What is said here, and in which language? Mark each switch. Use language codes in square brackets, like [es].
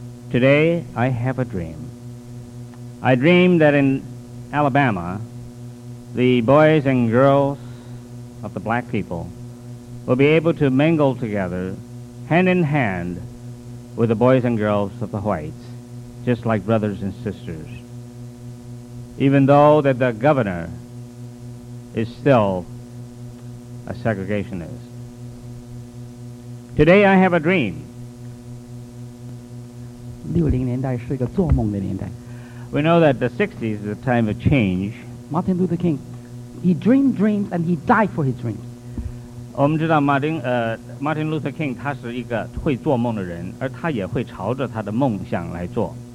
[en] Today, I have a dream. I dream that in Alabama, the boys and girls of the black people will be able to mingle together, hand in hand, with the boys and girls of the whites. just like brothers and sisters. Even though that the governor is still a segregationist. Today I have a dream. [zh] 60年代是一个做梦的年代。 [en] We know that the 60s is a time of change. Martin Luther King, he dreamed dreams and he died for his dreams. [zh] 我们知道马丁路特·金 他是一个会做梦的人 而他也会朝着他的梦想来做